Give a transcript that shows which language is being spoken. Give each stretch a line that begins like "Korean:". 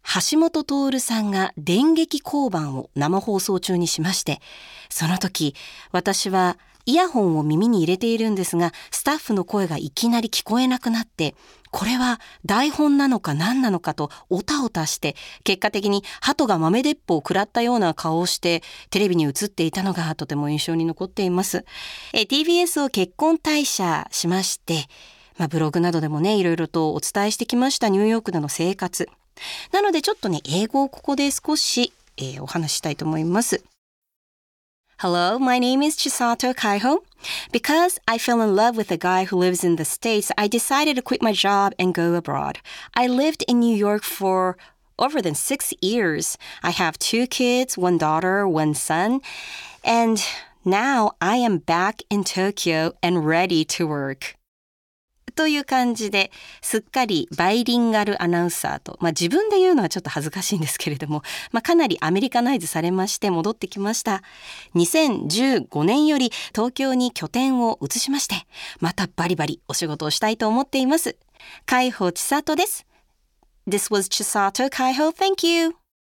Japanese: 橋本徹さんが電撃降板を生放送中にしまして、その時私はイヤホンを耳に入れているんですが、スタッフの声がいきなり聞こえなくなって、これは台本なのか何なのかとおたおたして、結果的に鳩が豆鉄砲を食らったような顔をしてテレビに映っていたのがとても印象に残っています。 TBS を結婚退社しまして、ブログなどでもね、いろいろとお伝えしてきましたニューヨークでの生活なので、ちょっとね、英語をここで少し、お話ししたいと思います。
English: Hello, my name is Chisato Kaiho. Because I fell in love with a guy who lives in the States, I decided to quit my job and go abroad. I lived in New York for over than 6 years. I have 2 kids, 1 daughter, 1 son. And now I am back in Tokyo and ready to work.
Japanese: という感じで、すっかりバイリンガルアナウンサーと、自分で言うのはちょっと恥ずかしいんですけれども、かなりアメリカナイズされまして戻ってきました。 2015年より東京に拠点を移しまして、またバリバリお仕事をしたいと思っています。海保千里です。
English: This was Chisato Kaiho. Thank you.